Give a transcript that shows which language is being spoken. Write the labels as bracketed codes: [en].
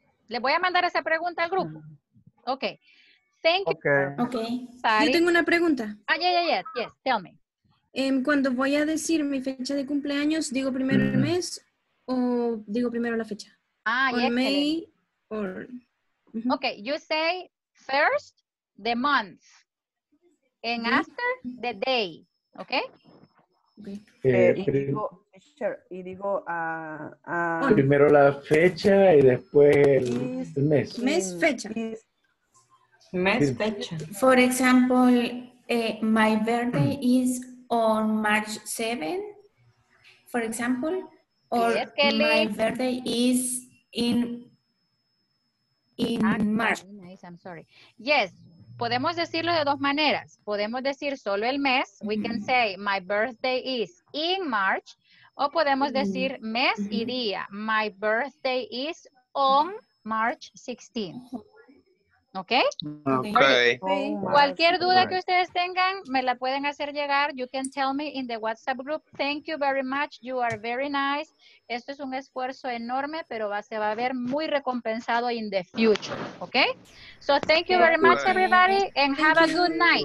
[es] Le voy a mandar esa pregunta al grupo. [en] Ok. Thank you. [es] Okay. Yo tengo una pregunta. [en] Ah, yeah. Yes, tell me. [es] Cuando voy a decir mi fecha de cumpleaños, ¿digo primero el mes o digo primero la fecha? [en] Ah, yeah. Or May or... Mm-hmm. Ok, you say first the month and mm-hmm. after the day. ¿Ok? [es] Primero la fecha y después el mes. Mes, fecha. [en] For example, my birthday is on March 7th, for example, or yes, my birthday is in March. Nice, I'm sorry. Yes. [es] Podemos decirlo de dos maneras. Podemos decir solo el mes. [en] We mm-hmm. can say my birthday is in March. [es] O podemos decir mes mm-hmm. y día. [en] My birthday is on March 16th. ¿Okay? Okay. [es] Cualquier duda que ustedes tengan, me la pueden hacer llegar. [en] You can tell me in the WhatsApp group. Thank you very much. You are very nice. [es] Esto es un esfuerzo enorme, pero se va a ver muy recompensado [en] in the future. ¿Okay? So thank you very much, everybody, and have a good night.